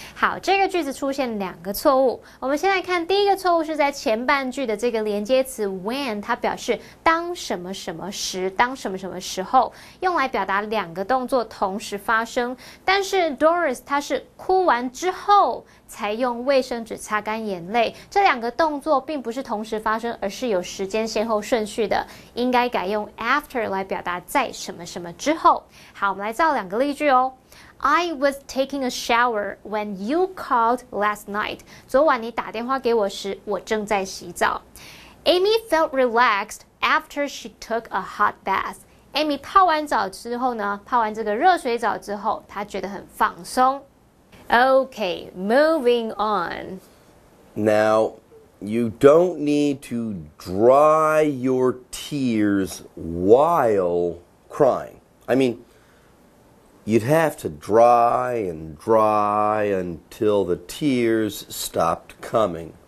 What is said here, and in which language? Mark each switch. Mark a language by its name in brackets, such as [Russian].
[Chinese] 好，这个句子出现两个错误。我们先来看第一个错误是在前半句的这个连接词 when， 它表示当什么什么时，当什么什么时候，用来表达两个动作同时发生。但是 Doris 她是哭完之后。才用卫生纸擦干眼泪，这两个动作并不是同时发生，而是有时间先后顺序的，应该改用 after 来表达在什么什么之后。好，我们来造两个例句哦。 [English] I was taking a shower when you called last night. [Chinese] 昨晚你打电话给我时，我正在洗澡。 [English] Amy felt relaxed after she took a hot bath. [Chinese] Amy 泡完澡之后呢，泡完这个热水澡之后，她觉得很放松。 [English] Okay, moving on. Now, you don't need to dry your tears while crying. I mean, you'd have to dry and dry until the tears stopped coming.